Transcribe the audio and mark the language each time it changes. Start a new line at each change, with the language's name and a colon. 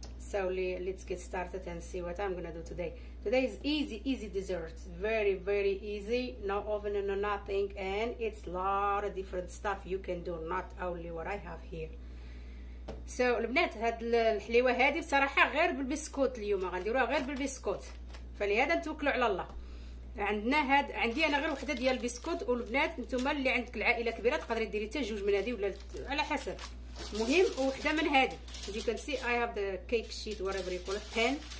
English: So let's get started and see what I'm going to do today. Today is easy dessert, very easy, no oven and no nothing, and it's a lot of different stuff you can do, not only what I have here.
Arabic: So البنات هاد الحليوه هادي بصراحه غير بالبسكوت، اليوم غنديروها غير بالبسكوت، فلهذا نتوكلوا على الله. عندنا هاد، عندي انا غير وحده ديال البسكوت، والبنات نتوما اللي عندك العائله كبيره تقدري ديري حتى جوج من هادي ولا على حسب. مهم وحده من هادي،
English: as you can see I have the cake sheet whatever you call it, pen.